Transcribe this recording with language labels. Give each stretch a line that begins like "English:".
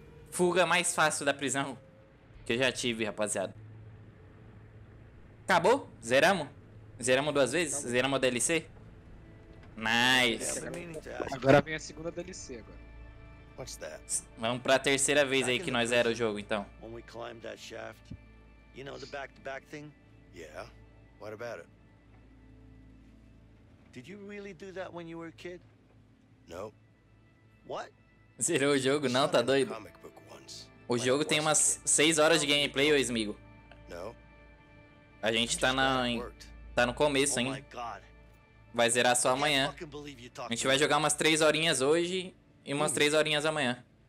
Portuguese: Fuga mais fácil da prisão que eu já tive, rapaziada. Acabou? Zeramos? Zeramos duas vezes? Acabou. Zeramos a DLC? Nice. Agora vem a segunda DLC agora.
English: What's that?
Portuguese: Vamos pra terceira vez aí que nós zera o jogo, então.
English: When we climbed that shaft, you know the back-to-back thing? Yeah. What about it? Did you really do that when you were a kid? No. What?
Portuguese: Zerou o jogo? Não, tá doido? O jogo tem umas 6 horas de gameplay, ô Smigo. A gente tá na... tá no começo, hein? Vai zerar só amanhã. A gente vai jogar umas 3 horinhas hoje e umas 3 horinhas amanhã.